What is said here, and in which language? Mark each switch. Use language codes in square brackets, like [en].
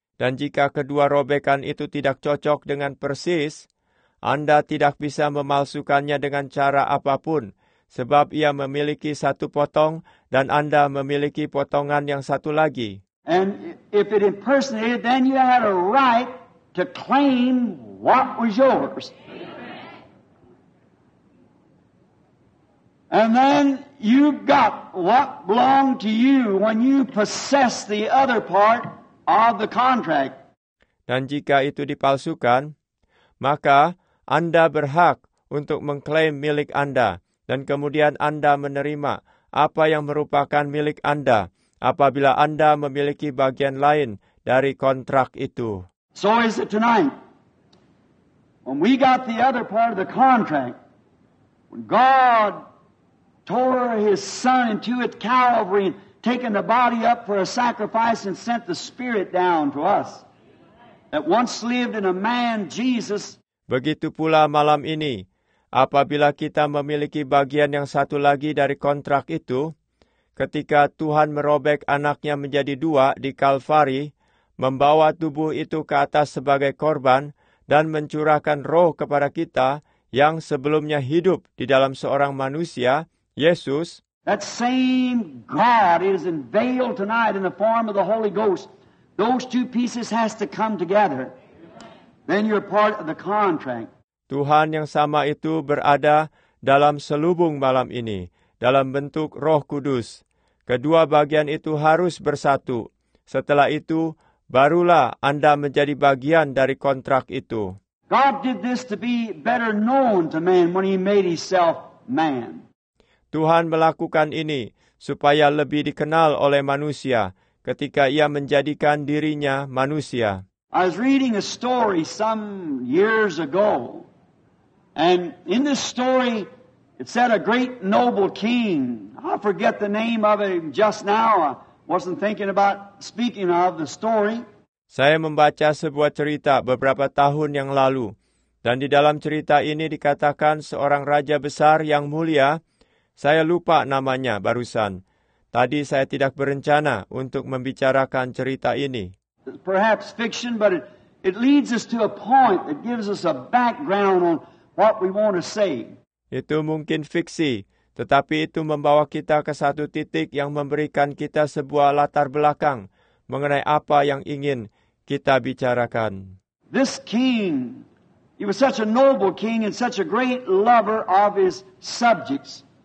[id] Dan jika kedua robekan itu tidak cocok dengan persis, Anda tidak bisa memalsukannya dengan cara apapun, sebab ia memiliki satu potong dan Anda memiliki potongan yang satu lagi. [en] And if it impersonated, then you had a right to claim what was yours. And then you got what belonged to you when you possessed the other part of the contract. [id] Dan jika itu dipalsukan, maka Anda berhak untuk mengklaim milik Anda, dan kemudian Anda menerima apa yang merupakan milik Anda apabila Anda memiliki bagian lain dari kontrak itu. [en] So is it tonight. When we got the other part of the contract, when God tore his son into its Calvary and taken the body up for a sacrifice and sent the spirit down to us that once lived in a man, Jesus. [id] Begitu pula malam ini, apabila kita memiliki bagian yang satu lagi dari kontrak itu, ketika Tuhan merobek anaknya menjadi dua di Kalvari, membawa tubuh itu ke atas sebagai korban, dan mencurahkan roh kepada kita yang sebelumnya hidup di dalam seorang manusia, Yesus. [en] That same God is unveiled tonight in the form of the Holy Ghost. Those two pieces has to come together. Then you're part of the contract. [id] Tuhan yang sama itu berada dalam selubung malam ini, dalam bentuk Roh Kudus. Kedua bagian itu harus bersatu. Setelah itu, barulah Anda menjadi bagian dari kontrak itu. [en] God did this to be better known to man when he made himself man. [id] Tuhan melakukan ini supaya lebih dikenal oleh manusia ketika ia menjadikan dirinya manusia. [en] I was reading a story some years ago, and in this story, it said a great noble king, I forget the name of him just now, I wasn't thinking about speaking of the story. [id] Saya membaca sebuah cerita beberapa tahun yang lalu, dan di dalam cerita ini dikatakan seorang raja besar yang mulia, saya lupa namanya barusan. Tadi saya tidak berencana untuk membicarakan cerita ini. [en] Perhaps fiction, but it leads us to a point that gives us a background on what we want to say. [id] Itu mungkin fiksi, tetapi itu membawa kita ke satu titik yang memberikan kita sebuah latar belakang mengenai apa yang ingin kita bicarakan. [en] This king, he was such a noble king and such a great lover of his subjects.